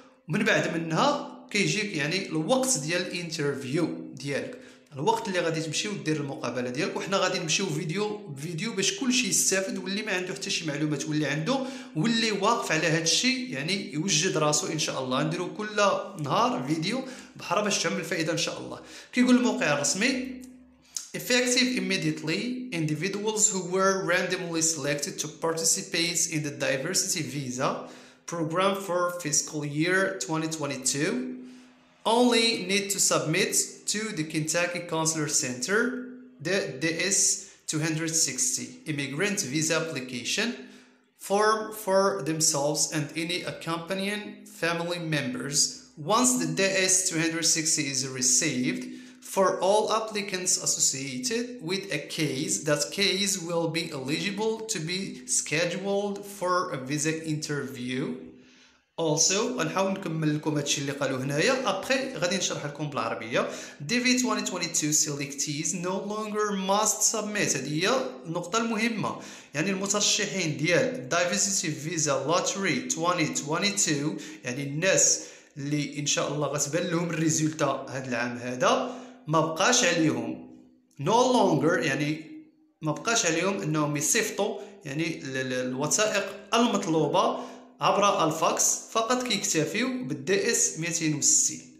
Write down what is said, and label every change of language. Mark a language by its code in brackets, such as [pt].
[ar] من بعد منها كيجيك يعني الوقت ديال الانترفيو ديالك، الوقت اللي غادي تمشي ودير المقابله ديالك، وحنا غادي نمشيو فيديو بفيديو باش كلشي يستافد، واللي ما عنده حتى شي معلومات واللي عنده واللي واقف على هذا الشيء يعني يوجد راسه ان شاء الله. نديرو كل نهار فيديو بحر باش تعمل الفائده ان شاء الله. كيقول الموقع الرسمي [en] effective immediately individuals who were randomly selected to participate in the diversity visa program for fiscal year 2022 only need to submit to the Kentucky Consular Center the DS-260 immigrant visa application form for themselves and any accompanying family members. Once the DS-260 is received, for all applicants associated with a case, that case will be eligible to be scheduled for a visa interview. [ar] Also غنحاول نكمل لكم هادشي اللي قالوا هنايا، ابخي غادي نشرح لكم بالعربيه. [en] دي في 2022 selectees no longer must submit, [ar] هادي هي النقطه المهمه، يعني المترشحين ديال دايفرسيتي فيزا لوتري 2022، يعني الناس اللي ان شاء الله غتبان لهم الريزولتا هاد العام هذا، ما بقاش عليهم [en] no longer, [ar] يعني ما بقاش عليهم انهم يصيفطوا يعني الوثائق المطلوبه عبر الفاكس، فقط كيكتفيو بالدي اس 260.